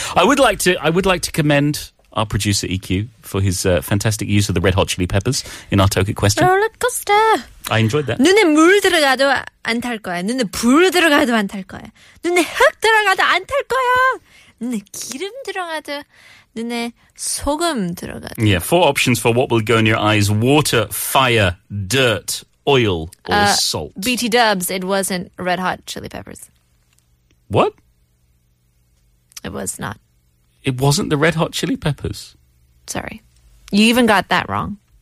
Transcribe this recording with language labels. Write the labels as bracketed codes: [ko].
[en] I would like to commend our producer EQ for his fantastic use of the Red Hot Chili Peppers in our Tokic question. Rollercoaster. I enjoyed that. [ko] 눈에 물 들어가도 안 탈 거야. 눈에 불 들어가도 안 탈 거야. 눈에 흙 들어가도 안 탈 거야. 눈에 기름 들어가도 눈에 소금 들어가도. [en] Yeah, 4 options for what will go in your eyes. Water, fire, dirt, oil, or salt. BT Dubs, it wasn't Red Hot Chili Peppers. What? It was not. It wasn't the Red Hot Chili Peppers. Sorry. You even got that wrong.